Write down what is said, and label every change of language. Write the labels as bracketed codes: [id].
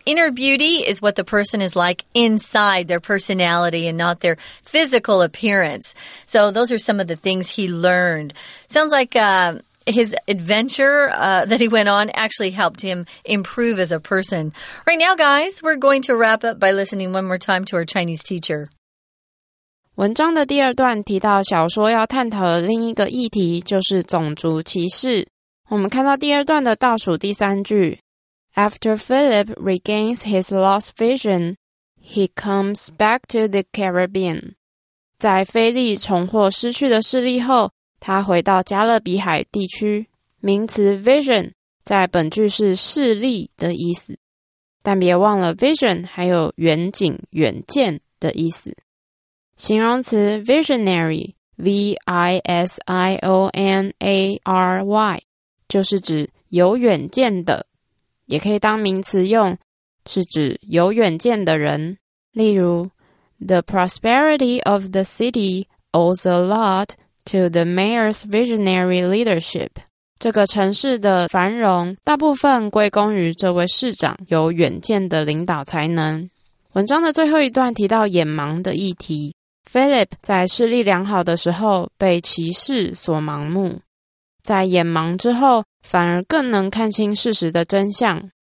[en] Inner beauty is what the person is like inside, their personality and not their physical appearance. So those are some of the things he learned. Sounds like his adventure that he went on actually helped him improve as a person. Right now, guys, we're going to wrap up by listening one more time to our Chinese teacher. [zh] 文章的第二段提到小说要探讨的另一个议题就是种族歧视。我们看到第二段的倒数第三句 [en] After Philip regains his lost vision, he comes back to the Caribbean. [zh] 在菲利重获失去的视力后，他回到加勒比海地区。名词 vision 在本句是视力的意思，但别忘了 vision 还有远景、远见的意思。形容词 visionary, V-I-S-I-O-N-A-R-Y, 就是指有远见的，也可以当名词用，是指有远见的人。例如 [en] The prosperity of the city owes a lot to the mayor's visionary leadership. [zh] 这个城市的繁荣大部分归功于这位市长有远见的领导才能。文章的最后一段提到眼盲的议题。Philip 在视力良好的时候被歧视所盲目，在眼盲之后反而更能看清事实的真相。